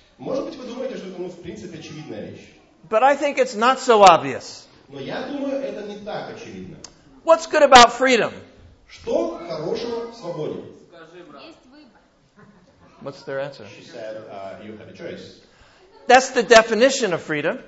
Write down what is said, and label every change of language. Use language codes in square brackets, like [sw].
[ru] Может быть, вы думаете, что это, ну, в принципе, очевидная вещь. [en] But I think it's not so obvious. [ru] Но я думаю, это не так очевидно. [en] What's good about freedom? [ru] Что хорошего в свободе? Скажи, брат. Есть выбор. [en] What's their answer? She said, you have a choice. That's the definition of freedom.